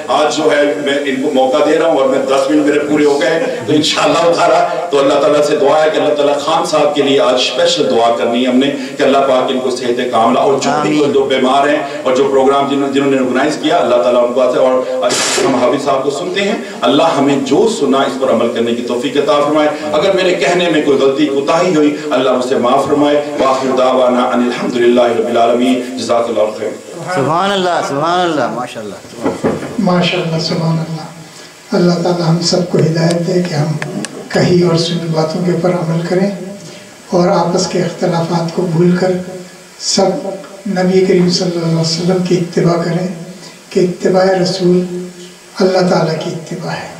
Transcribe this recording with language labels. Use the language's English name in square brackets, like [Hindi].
[Urdu] آج جو ہے میں ان کو موقع دے رہا ہوں اور میں 10 منٹ میرے پورے ہو گئے, تو انشاءاللہ اٹھا رہا, تو اللہ تعالیٰ سے دعا ہے کہ اللہ تعالیٰ خان صاحب کے لیے آج اسپیشل دعا کرنی ہے ہم نے کہ اللہ پاک ان کو صحت کاملہ, اور جو بھی جو بیمار ہیں اور جو پروگرام جنہوں نے آرگنائز کیا اللہ تعالیٰ ان کو, اور ہم حافظ صاحب کو سنتے ہیں, اللہ ہمیں جو سنا اس پر عمل کرنے کی توفیق عطا فرمائے. اگر میرے کہنے میں کوئی غلطی کوتاہی ہوئی اللہ اسے معاف. [Arabic] واخر دعوانا ان الحمد لله رب العالمين. جزاك الله خير. سبحان الله سبحان الله ما شاء الله ما شاء الله سبحان الله. [Urdu] اللہ تعالی ہم سب کو ہدایت دے کہ ہم کہی اور سنی باتوں کے پر عمل کریں, اور آپس کے اختلافات کو بھول کر سب نبی کریم صلی اللہ علیہ وسلم کی اتباع کریں, کہ اتباع رسول اللہ تعالی کی اتباع ہے.